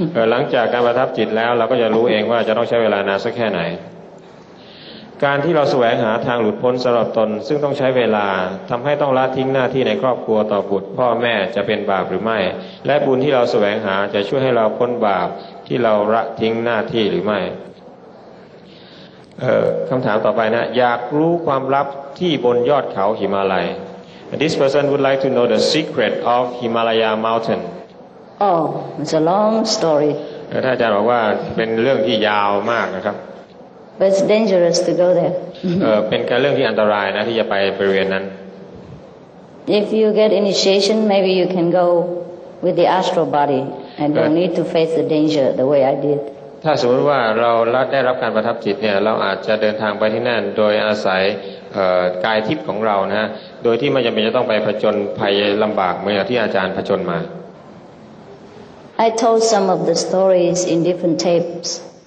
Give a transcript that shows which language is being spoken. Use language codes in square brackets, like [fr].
[th] หลังจากการประทับจิตแล้วเราก็จะรู้เองว่าจะต้องใช้เวลานานสักแค่ไหนการที่เราแสวงหาทางหลุดพ้นสำหรับตนซึ่งต้องใช้เวลาทำให้ต้องละทิ้งหน้าที่ในครอบครัวต่อบุตรพ่อแม่จะเป็นบาปหรือไม่และบุญที่เราแสวงหาจะช่วยให้เราพ้นบาปที่เราละทิ้งหน้าที่หรือไม่คำถามต่อไปนะอยากรู้ความลับที่บนยอดเขาหิมาลัย [en] This person would like to know the secret of Himalaya mountain Oh, it's a long story [th] ท่านอาจารย์บอกว่าเป็นเรื่องที่ยาวมากนะครับ [en] But it's dangerous to go there [th] เป็นการเรื่องที่อันตรายนะที่จะไปบริเวณนั้น [en] If you get initiation maybe you can go with the astral body and don't need to face the danger the way I diddid. ถ้ [th] าสมมติว่าเราได้รับการประทับจิตเนี่ยเราอาจจะเดินทางไปที่นั่นโดยอาศัยกายทิพย์ของเรานะฮะโดยที่ไม่จำเป็นจะต้องไปผจญภัยลำบากเหมือนที่อาจารย์ผจญมา [en] I told some of the stories in different tapes.